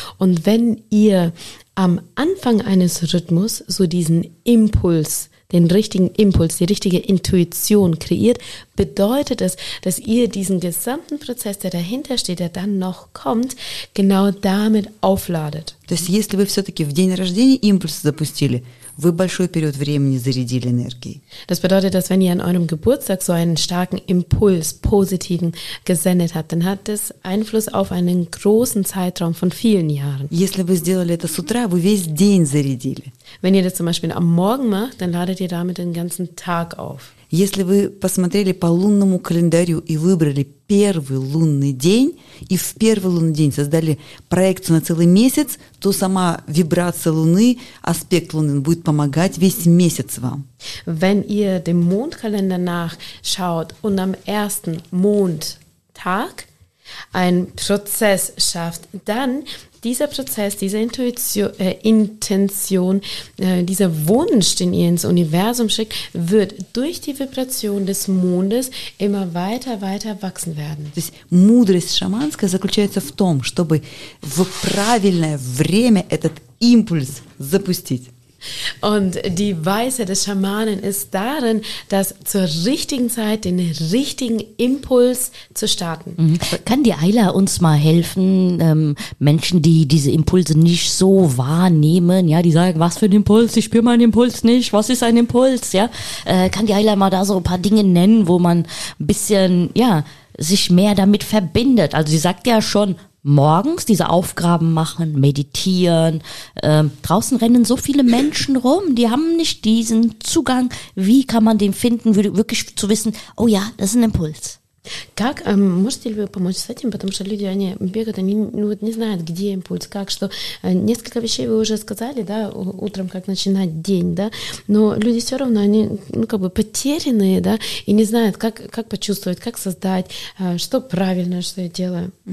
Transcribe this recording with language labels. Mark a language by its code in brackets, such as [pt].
[de] Und wenn ihr am Anfang eines Rhythmus so diesen Impuls, den richtigen Impuls, die richtige Intuition kreiert, bedeutet es, dass ihr diesen gesamten Prozess, der dahinter steht, der dann noch kommt, genau damit aufladet. [ru] То есть, если вы все-таки в день рождения импульс запустили, вы большой период времени зарядили энергией. [de] Das bedeutet, dass wenn ihr an eurem Geburtstag so einen starken Impuls, positiven, gesendet habt, dann hat das Einfluss auf einen großen Zeitraum von vielen Jahren. [ru] Если вы сделали это с утра, вы весь день зарядили. [de] Wenn ihr das zum Beispiel am Morgen macht, dann ladet ihr damit den ganzen Tag auf. [ru] Если вы посмотрели по лунному календарю и выбрали первый лунный день, и в первый лунный день создали проекцию на целый месяц, то сама вибрация Луны, аспект Луны будет помогать весь месяц вам. [de] Wenn ihr dem Mondkalender nachschaut und am ersten Mondtag einen Prozess schafft, dann dieser Prozess, diese Intention, dieser Wunsch, den ihr ins Universum schickt, wird durch die Vibration des Mondes immer weiter wachsen werden. [ru] То есть мудрость шаманская заключается в том, чтобы в правильное время этот импульс запустить. [de] Und die Weisheit des Schamanen ist darin, dass zur richtigen Zeit den richtigen Impuls zu starten. Mhm. Kann die Ayla uns mal helfen, Menschen, die diese Impulse nicht so wahrnehmen, ja, die sagen, was für ein Impuls, ich spüre meinen Impuls nicht, was ist ein Impuls, ja? Kann die Ayla mal da so ein paar Dinge nennen, wo man ein bisschen, ja, sich mehr damit verbindet? Also sie sagt ja schon, morgens diese Aufgaben machen, meditieren. Draußen rennen so viele Menschen rum, die haben nicht diesen Zugang. Wie kann man den finden, wirklich zu wissen, oh ja, das ist ein Impuls. [ru] Как можете ли вы помочь с этим? Потому что люди, они бегают, они вот не знают, где импульс, как, что. Несколько вещей вы уже сказали, да, утром, как начинать день, да. Но люди все равно, они, ну, как бы потерянные, да, и не знают, как почувствовать, как создать, что правильно, что я делаю.